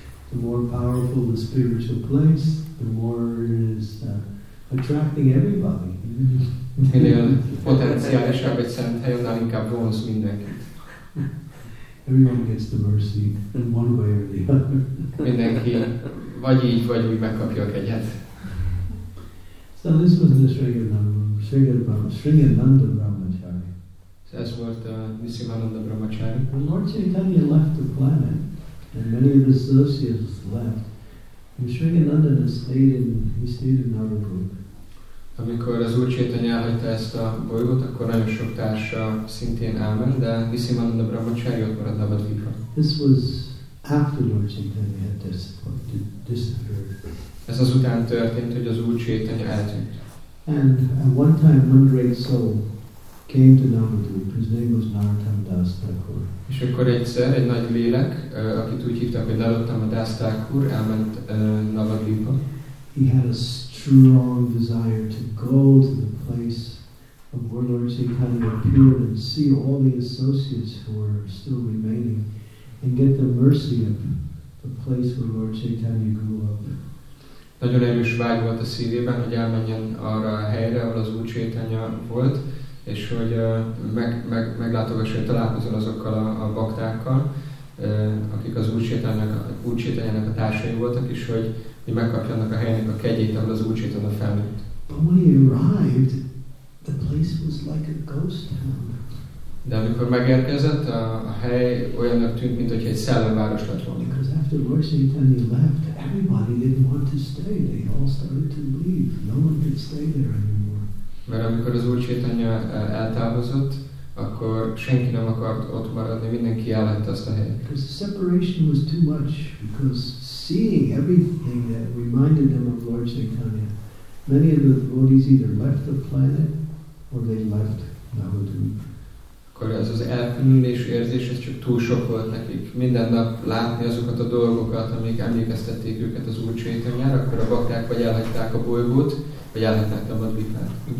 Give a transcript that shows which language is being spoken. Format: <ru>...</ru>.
<en>The more powerful the spiritual place, the more is attracting everybody.</en> <hu>Minél potenciálisabb egy szent hely, annál inkább vonz mindenkit.</hu> <en>Everyone gets the mercy in one way or the other.</en> <hu>Mindenki vagy úgy megkapja a kegyet.</hu> <en>So this was the Sringananda Brahmachari. So</en> <hu>ez volt a Nisimananda Brahmachari.</hu> <en>When Lord Chaitanya left the planet, and many of his associates left, and Sringananda stayed in Narabhut.</en> <hu>Amikor az Úr Chaitanya elhagyta ezt a bolygót, akkor nagyon sok társa szintén elment, de Nisimananda Brahmachari ott maradt Navadvipa.</hu> <en>This was after Lord Chaitanya had disappeared.</en> <hu>Ez azután történt, hogy az Úr Chaitanya eltűnt.</hu> <en>And at one time one great soul came to Navadvipa, his name was Narottam Das Thakur.</en> <hu>És akkor egyszer egy nagy lélek, akit úgy hívtak, hogy Narottam Das Thakur, elment Navadvipa.</hu> <en>He had a strong desire to go to the place of where Lord Chaitanya appeared and see all the associates who were still remaining and get the mercy of the place where Lord Chaitanya grew up.</en> <hu>Nagyon erős vágy volt a szívében, hogy elmenjen arra a helyre, ahol az Úr Chaitanya volt, és hogy meglátogasson, hogy találkozol azokkal a baktákkal, akik az Úr Chaitanyának a társai voltak, és hogy hogy megkapja annak a helynek a kegyét, ahol az Úr Chaitanya felnőtt.</hu> <en>But when he arrived, the place was like a ghost town.</en> <hu>De amikor megérkezett, a hely olyannak tűnt, mint hogy egy szellemváros lett volna.</hu> <en>Because after Lord Chaitanya left, everybody didn't want to stay. They all started to leave. No one could stay there anymore.</en> <hu>Mert amikor az Úr Chaitanya eltávozott, akkor senki nem akart ott maradni, mindenki elhagyta azt a helyet.</hu> <en>Because the separation was too much, because seeing everything that reminded them of Lord Chaitanya, many of the devotees either left the planet or they left Navadvipa.</en> <hu>Akkor ez az elkülönülés érzés, ez csak túl sok volt nekik. Minden nap látni azokat a dolgokat, amik emlékeztették őket az Úr Chaitanyára, akkor a bakták vagy elhagyták a bolygót, vagy elhagyták Navadvipát.</hu>